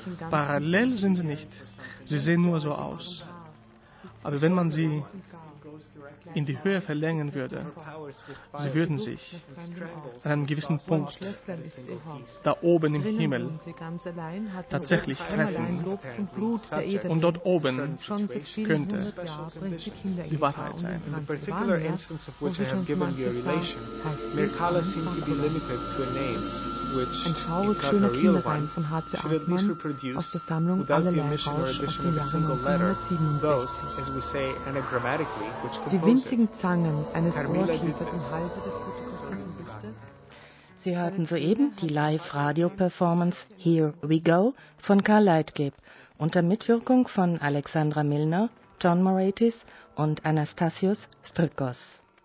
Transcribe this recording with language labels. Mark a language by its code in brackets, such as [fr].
[de] Parallel sind sie nicht. Sie sehen nur so aus. Aber wenn man sie in die Höhe verlängern würde, sie würden sich an einem gewissen Punkt da oben im Himmel tatsächlich treffen. Und dort oben könnte die Wahrheit sein. [en] In the particular instance of which I have given you a relation, Mirkala seemed to be limited to a name. [de] Ein schaurig schöner Kinderreim von H.C. Altmann aus der Sammlung Allerlei Rausch aus dem Jahre 1967. Die winzigen Zangen eines Ohrkiefers im Halse des fotografierten Lichtes. Sie hörten soeben die Live-Radio-Performance Here We Go von Karl Leitgeb unter Mitwirkung von Alexandra Milner, John Moraitis und Anastasios Strykos.